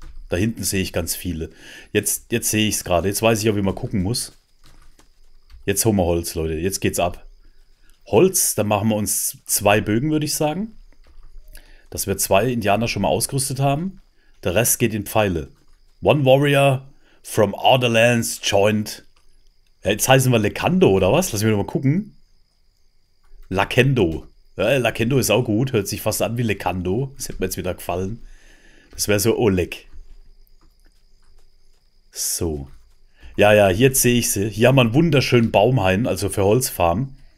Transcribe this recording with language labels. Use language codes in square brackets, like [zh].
[de] Da hinten sehe ich ganz viele. Jetzt sehe ich es gerade. Jetzt weiß ich auch, wie man gucken muss. Jetzt holen wir Holz, Leute. Jetzt geht's ab. Holz, dann machen wir uns zwei Bögen, würde ich sagen. Dass wir zwei Indianer schon mal ausgerüstet haben. Der Rest geht in Pfeile. [en] One Warrior from Outer Lands joined. [de] Ja, jetzt heißen wir Lekando oder was? Lass mich nochmal gucken. Lakendo. Ja, Lakendo ist auch gut. Hört sich fast an wie Lekando. Das hätte mir jetzt wieder gefallen. Das wäre so Oleg. So. Ja, jetzt sehe ich sie. Hier haben wir einen wunderschönen Baumhain, also für Holzfarm.